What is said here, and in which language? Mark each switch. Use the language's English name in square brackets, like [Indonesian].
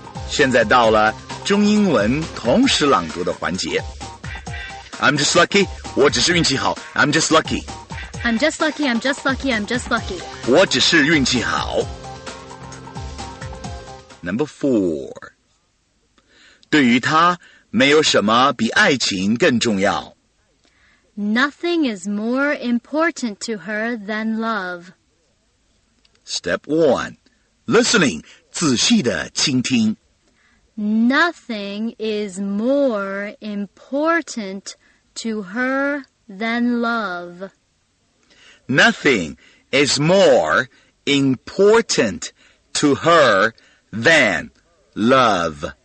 [Chinese] 现在到了中英文同时朗读的环节 [English] I'm just lucky. [Chinese] 我只是运气好 [English] I'm just lucky. I'm just lucky, I'm just lucky, I'm just lucky. [Chinese] 我只是运气好。 [English] Number four. [Chinese] 对于他,没有什么比爱情更重要。 [English] Nothing is more important to her than love. Step one. Listening, [Chinese] 仔细地倾听。 [English] Nothing is more important to her than love. Nothing is more important to her than love.